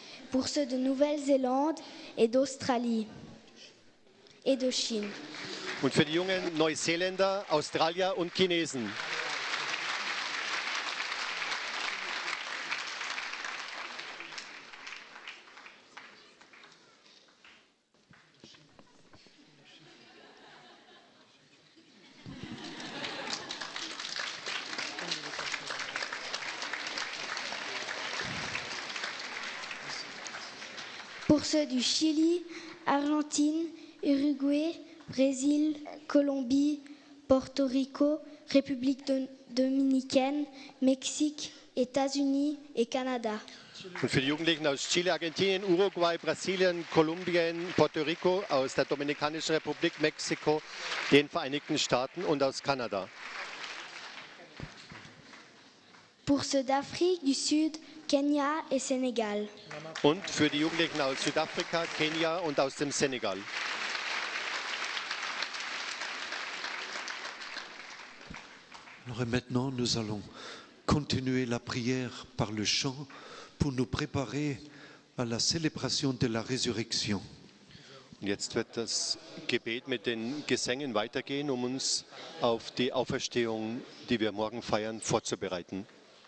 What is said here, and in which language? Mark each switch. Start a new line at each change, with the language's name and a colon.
French: Pour ceux de Nouvelle-Zélande et d'Australie et de Chine.
German: Und für die jungen Neuseeländer, Australier und Chinesen.
French: Pour ceux du Chili, Argentine, Uruguay, Brésil, Colombie, Porto Rico, République Dominicaine, Mexique, États-Unis et Canada.
German: Und für die Jugendlichen aus Chile, Argentinien, Uruguay, Brasilien, Kolumbien, Porto Rico, aus der Dominikanischen Republik, Mexiko, den Vereinigten Staaten und aus Kanada.
French: Pour ceux d'Afrique du Sud, Kenia et Sénégal.
German: Und für die Jugendlichen aus Südafrika, Kenia und aus dem Senegal.
French: Alors maintenant, nous allons continuer la prière par le chant pour nous préparer à la célébration de la résurrection.
German: Jetzt wird das Gebet mit den Gesängen weitergehen, um uns auf die Auferstehung, die wir morgen feiern, vorzubereiten.